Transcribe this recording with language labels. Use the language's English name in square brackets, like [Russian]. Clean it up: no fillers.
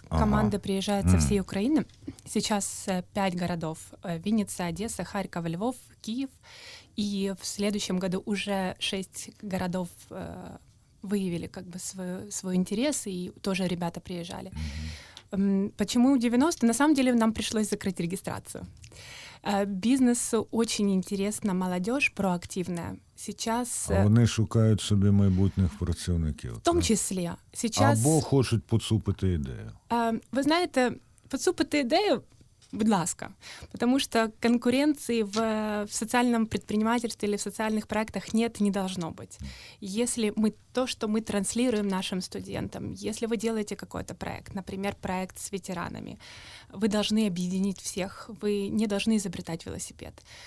[Ukrainian] Команди приїжджають з всієї України. Зараз 5 городів – Вінниця, Одеса, Харків, Львів, Київ. І в наступному році вже 6 городів виявили свій інтерес, і теж ребята приїжджали. [Russian] Почему 90? На самом деле нам пришлось закрыть регистрацию. Бизнесу очень интересна молодежь, проактивная. Сейчас... [Ukrainian] А вони шукають собі майбутніх працівників. В тому числі. [Russian] Сейчас... [Ukrainian] Або хочуть поцупити ідею. Ви знаєте, поцупити ідею, будь ласка. [Russian] Потому что конкуренции в социальном предпринимательстве или в социальных проектах нет, не должно быть. Если мы то, что мы транслируем нашим студентам, если вы делаете какой-то проект, например, проект с ветеранами, вы должны объединить всех, вы не должны изобретать велосипед.